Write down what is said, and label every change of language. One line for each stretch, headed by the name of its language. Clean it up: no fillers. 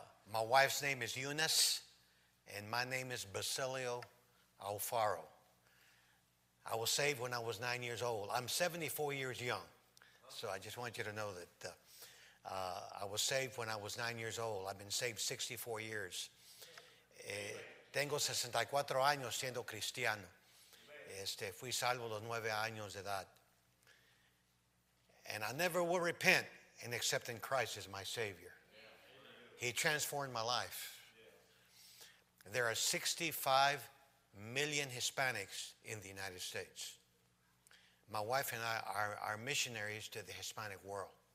English: My wife's name is Eunice, and my name is Basilio Alfaro. I was saved when I was 9 years old. I'm 74 years young, so I just want you to know that I was saved when I was 9 years old. I've been saved 64 years.
Spanish: Tengo 64 años siendo cristiano. Fui salvo los 9 años de edad.
English: And I never will repent in accepting Christ as my Savior. He transformed my life. There are 65 million Hispanics in the United States. My wife and I are missionaries to the Hispanic world.